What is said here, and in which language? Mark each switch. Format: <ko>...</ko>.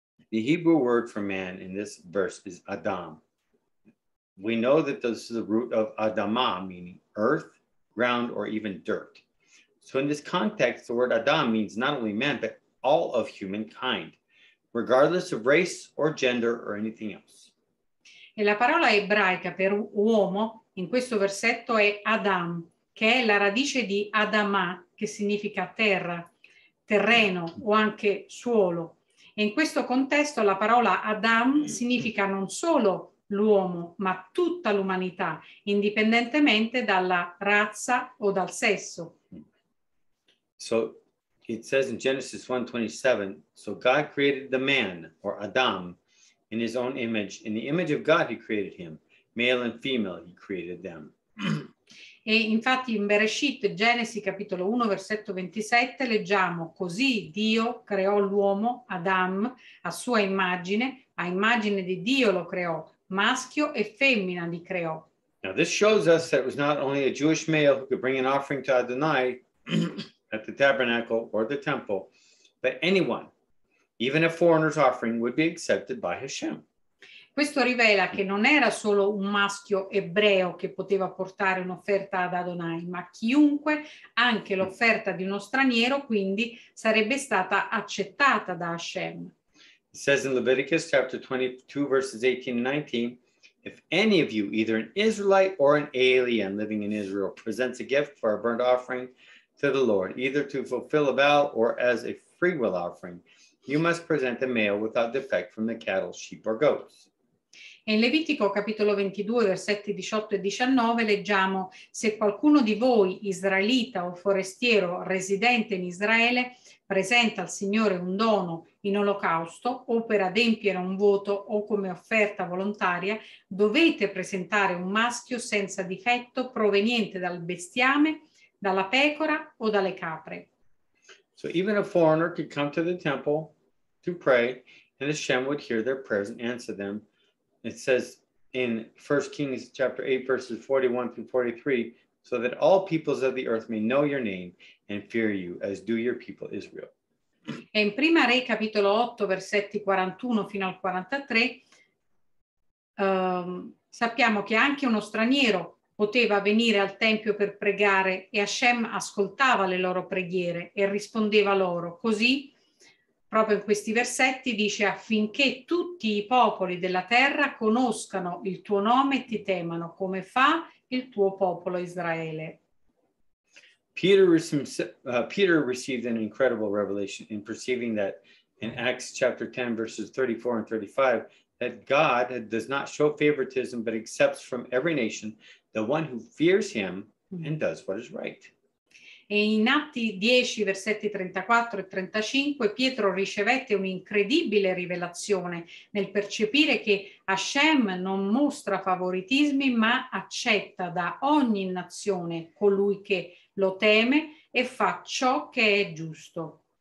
<en>The Hebrew word for man in this verse is Adam. We know that this is the root of Adama, meaning earth, ground, or even dirt. So in this context, the word Adam means not only man, but all of humankind, regardless of race or gender or anything else.</en> <it>E la parola ebraica per uomo in questo versetto è Adam, che è la radice di Adama, che significa terra, terreno o anche suolo. E in questo contesto la parola Adam significa non solo l'uomo, ma tutta l'umanità, indipendentemente dalla razza o dal sesso.</it> <en>So it says in Genesis 1:27, so God created the man, or Adam, in his own image. In the image of God he created him, male and female he created them.</en> <it>E infatti in Bereshit, Genesi capitolo 1, versetto 27, leggiamo: così Dio creò l'uomo, Adam, a sua immagine, a immagine di Dio lo creò, maschio e femmina li creò.</it> <en>Now this shows us that it was not only a Jewish male who could bring an offering to Adonai at the tabernacle or the temple, but anyone, even a foreigner's offering, would be accepted by Hashem.</en> <it>Questo rivela che non era solo un maschio ebreo che poteva portare un'offerta ad Adonai, ma chiunque, anche l'offerta di uno straniero, quindi, sarebbe stata accettata da Hashem.</it> <en>It says in Leviticus chapter 22, verses 18 and 19, if any of you, either an Israelite or an alien living in Israel, presents a gift for a burnt offering to the Lord, either to fulfill a vow or as a freewill offering, you must present a male without defect from the cattle, sheep or goats.</en> <it>E in Levitico capitolo 22, versetti 18 e 19 leggiamo: se qualcuno di voi, israelita o forestiero residente in Israele, presenta al Signore un dono in olocausto o per adempiere un voto o come offerta volontaria, dovete presentare un maschio senza difetto proveniente dal bestiame, dalla pecora o dalle capre.</it> <en>So even a foreigner could come to the temple to pray and Hashem would hear their prayers and answer them. It says in 1 Kings chapter 8, verses 41 through 43, so that all peoples of the earth may know your name and fear you, as do your people Israel.</en> <it>E in Prima Re capitolo 8, versetti 41 fino al 43, sappiamo che anche uno straniero poteva venire al Tempio per pregare e Hashem ascoltava le loro preghiere e rispondeva loro. Così, proprio in questi versetti dice: affinché tutti i popoli della terra conoscano il tuo nome e ti temano, come fa il tuo popolo Israele.</it> <en>Peter received an incredible revelation in perceiving that in Acts chapter 10, verses 34 and 35, that God does not show favoritism but accepts from every nation the one who fears him and does what is right.</en> <it>E in Atti 10, versetti 34 e 35, Pietro ricevette un'incredibile rivelazione nel percepire che Hashem non mostra favoritismi, ma accetta da ogni nazione colui che lo teme e fa ciò che è giusto.</it>